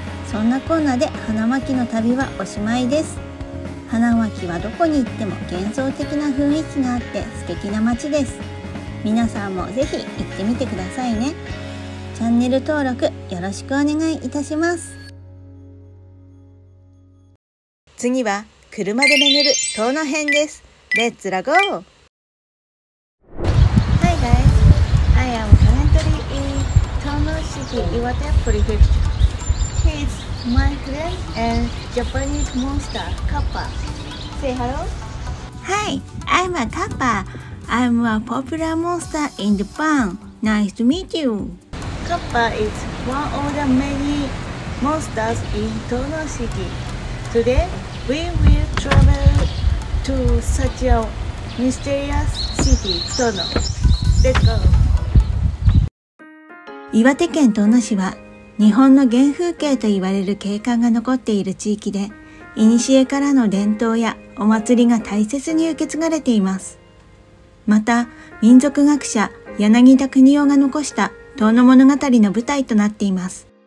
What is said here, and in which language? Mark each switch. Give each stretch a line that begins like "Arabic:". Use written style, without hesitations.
Japanese: そんなコーナーで花巻の旅はおしまいです。花巻はどこに行っても幻想的な雰囲気があって素敵な街です。皆さんもぜひ行ってみてくださいね。チャンネル登録よろしくお願いいたします。次は車で巡る遠野編です。レッツラゴー。
English: Hi guys, I am currently in 遠野市 Iwate Prefecture. He's my friend and Japanese monster, Kappa. Say hello. Hi, I'm a Kappa. I'm a popular monster in Japan. Nice to meet you. Kappa is one of the many monsters in 遠野市 Today,We will travel to such a mysterious city, Tono. Let's go.
Japanese: 岩手県遠野市は日本の原風景といわれる景観が残っている地域で、古からの伝統やお祭りが大切に受け継がれています。また、民族学者柳田国男が残した遠野物語の舞台となっています。